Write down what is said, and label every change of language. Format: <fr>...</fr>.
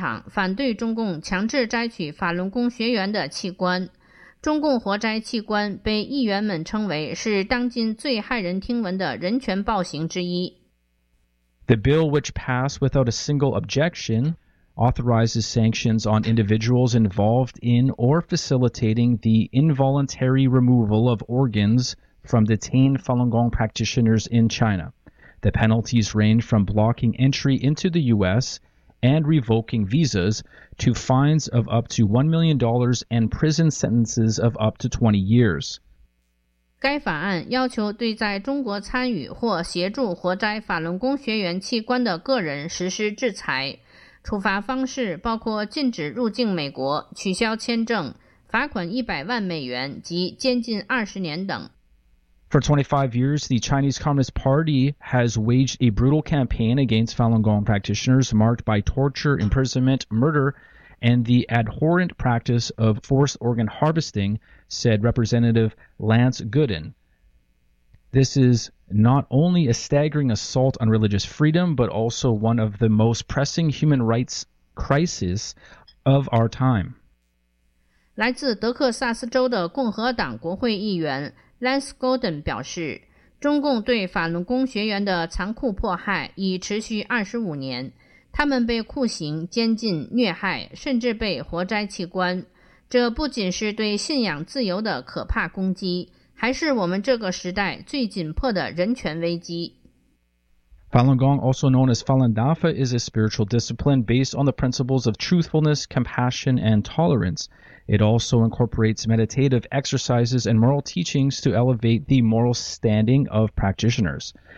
<zh>场反对中共强制摘取法轮功学员的器官。中共活摘器官被议员们称为是当今最骇人听闻的人权暴行之一。</zh> <en>The bill which passed without a single objection authorizes sanctions on individuals involved in or facilitating the involuntary removal of organs from detained Falun Gong practitioners in China. The penalties range from blocking entry into the U.S. and revoking visas to fines of up to $1 million and prison sentences of up to 20 years.</en> <zh>该法案要求对在中国参与或协助活摘法轮功学员器官的个人实施制裁，处罚方式包括禁止入境美国、取消签证、罚款$1,000,000及监禁20年等。</zh> <en>For 25 years, the Chinese Communist Party has waged a brutal campaign against Falun Gong practitioners marked by torture, imprisonment, murder, and the abhorrent practice of forced organ harvesting,said Representative Lance Gooden. This is not only a staggering assault on religious freedom, but also one of the most pressing human rights crises of our time.</en> <zh>来自德克萨斯州的共和党国会议员 Lance Gooden 表示，中共对法轮功学员的残酷迫害已持续25年，他们被酷刑、监禁、虐害，甚至被活摘器官。这不仅是对信仰自由的可怕攻击，还是我们这个时代最紧迫的人权危机。</zh> <en>Falun Gong, also known as Falun Dafa, is a spiritual discipline based on the principles of truthfulness, compassion, and tolerance. It also incorporates meditative exercises and moral teachings to elevate the moral standing of practitioners.</en>